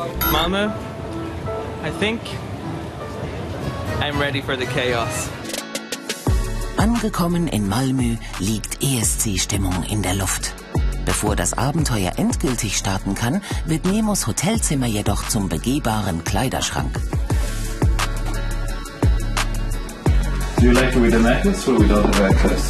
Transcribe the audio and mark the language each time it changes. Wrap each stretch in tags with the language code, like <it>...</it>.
<en>Mama, I think I'm ready for the chaos.</en> <de>Angekommen in Malmö liegt ESC-Stimmung in der Luft. Bevor das Abenteuer endgültig starten kann, wird Nemos Hotelzimmer jedoch zum begehbaren Kleiderschrank.</de> <en>Do you like it with the necklace or without the necklace?</en>